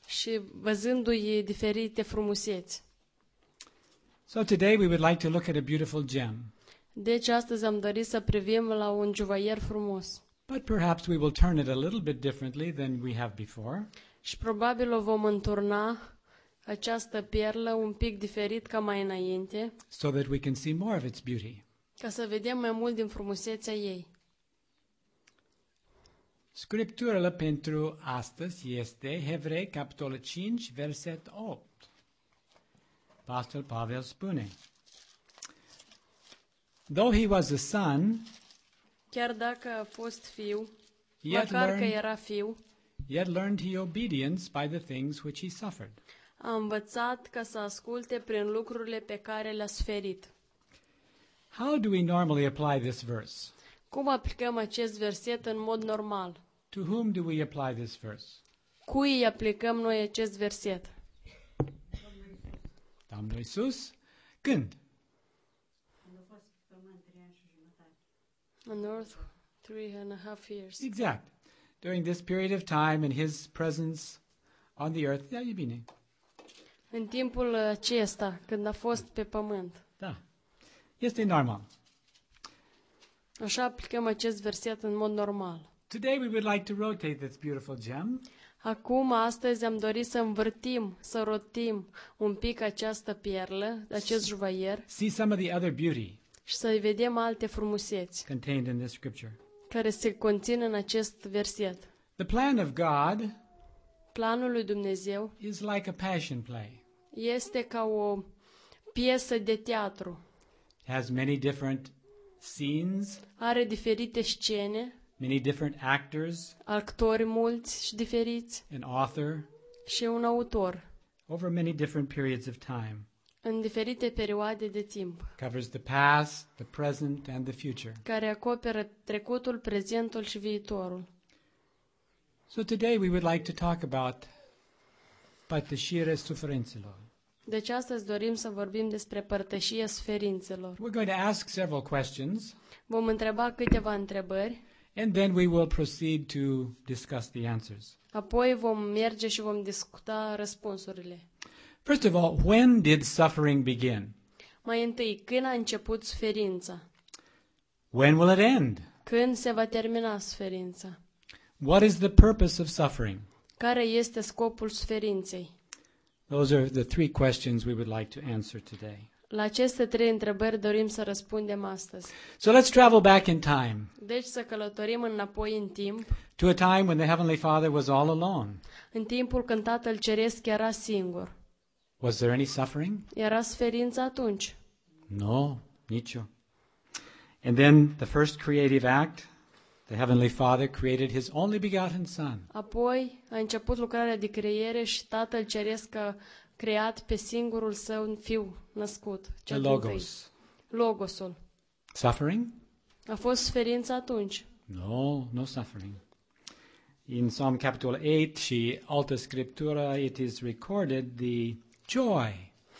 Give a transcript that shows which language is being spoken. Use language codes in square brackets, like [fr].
[ro] Și văzându-i diferite frumuseți. [en] So today we would like to look at a beautiful gem. [ro] Deci astăzi am dorit să privim la un juvaier frumos. [en] But perhaps we will turn it a little bit differently than we have before. [ro] Și probabil o vom înturna această perlă un pic diferit ca mai înainte. [en] So that we can see more of its beauty. [ro] Ca să vedem mai mult din frumusețea ei. Scripturile pentru astăzi este Evrei, capitolul 5, verset 8. Pastor Pavel spune: [en] Though he was a son, [ro] chiar dacă a fost fiu, măcar că era fiu, [en] yet learned he obedience by the things which he suffered. [ro] A învățat ca să asculte prin lucrurile pe care le-a suferit. [en] How do we normally apply this verse? [ro] Cum aplicăm acest verset în mod normal? [en] To whom do we apply this verse? [ro] Cui aplicăm noi acest verset? Domnul Iisus. Când? Când a fost pe pământ 3 ani și jumătate. [en] On earth 3.5 years. Exact. During this period of time and his presence on the earth. [ro] Da, e bine. În timpul acesta, când a fost pe pământ. Da. Este normal. Așa aplicăm acest verset în mod normal. [en] Today we would like to rotate this beautiful gem. [ro] Acum astăzi am dorit să învârtim, să rotim un pic această perlă, acest juvaier. [en] See some of the other beauty. [ro] Și să vedem alte frumuseți. [en] Contained in this scripture. [ro] Care se conțin în acest verset. [en] The plan of God. [ro] Planul lui Dumnezeu. [en] Is like a passion play. [ro] Este ca o piesă de teatru. [en] It has many different scenes. [ro] Are diferite scene. [en] Many different actors. [ro] Actori mulți și diferiți. [en] An author. [ro] Și un autor. [en] Over many different periods of time. [ro] În diferite perioade de timp. [en] Covers the past, the present and the future. [ro] Care acoperă trecutul, prezentul și viitorul. [en] So today we would like to talk about [ro] pătășirea suferințelor. Deci astăzi dorim să vorbim despre părtășia suferințelor. [en] We're going to ask several questions. [ro] Vom întreba câteva întrebări. [en] And then we will proceed to discuss the answers. [ro] Apoi vom merge și vom discuta răspunsurile. [en] First of all, when did suffering begin? [ro] Mai întâi, când a început suferința? [en] When will it end? [ro] Când se va termina suferința? [en] What is the purpose of suffering? [ro] Care este scopul suferinței? [en] Those are the three questions we would like to answer today. [ro] La aceste trei întrebări dorim să răspundem astăzi. [en] So let's travel back in time. [ro] Deci să călătorim înapoi în timp. [en] To a time when the Heavenly Father was all alone. [ro] În timpul când Tatăl Ceresc era singur. [en] Was there any suffering? [ro] Era suferință atunci? [en] No, [ro] nicio. [en] And then the first creative act, the Heavenly Father created His only begotten Son. [ro] Apoi a început lucrarea de creiere și Tatăl Ceresc a creat pe singurul Său Fiu născut, cel întâi. Logos. Logosul. [en] Suffering? [ro] A fost suferință atunci? [en] No, no suffering. In Psalm [ro] capitol 8 și Alta Scriptura, [en] it is recorded the joy.